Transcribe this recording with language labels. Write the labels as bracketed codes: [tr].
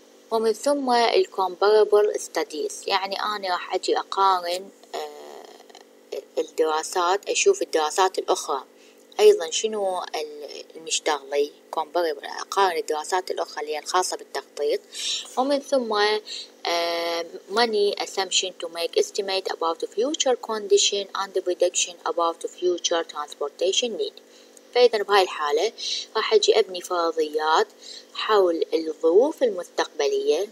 [ar] ومن ثم الكومبارابل ستاديز، يعني أنا راح أجي أقارن الدراسات، أشوف الدراسات الأخرى أيضا شنو المشتغلي، أقارن الدراسات الأخرى اللي هي الخاصة بالتخطيط. ومن ثم [en] money assumption to make estimate about the future condition and the prediction about the future transportation need. [ar] فإذا بهاي الحالة راح أجي أبني فرضيات حول الظروف المستقبلية.